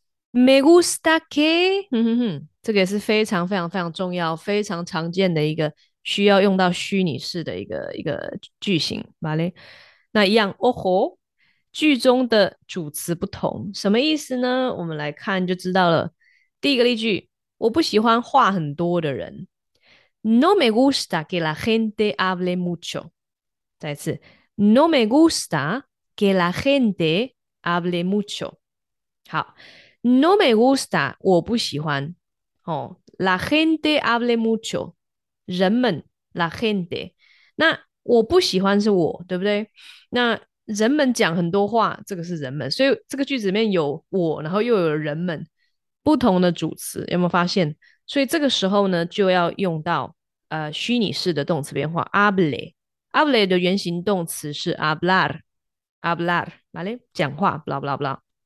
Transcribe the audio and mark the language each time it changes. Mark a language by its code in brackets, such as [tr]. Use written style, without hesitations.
[es] Me gusta que， [zh] 这个也是非常非常非常重要、非常常见的一个需要用到虚拟式的一个句型，好嘞。那一样，哦吼。句中的主词不同，什么意思呢？我们来看就知道了。第一个例句，我不喜欢话很多的人。 [es] No me gusta que la gente hable mucho。 [zh] 再一次， [es] No me gusta que la gente hable mucho。 [zh] 好， [es] No me gusta， [zh] 我不喜欢。 哦， [es] la gente hable mucho， [zh] 人们，la gente。那我不喜欢是我，对不对？那人们讲很多话，这个是人们，所以这个句子里面有我，然后又有人们，不同的主词，有没有发现？所以这个时候呢，就要用到虚拟式的动词变化，able，able 的原型动词是 hablar，hablar，来讲话， [en] blah blah blah。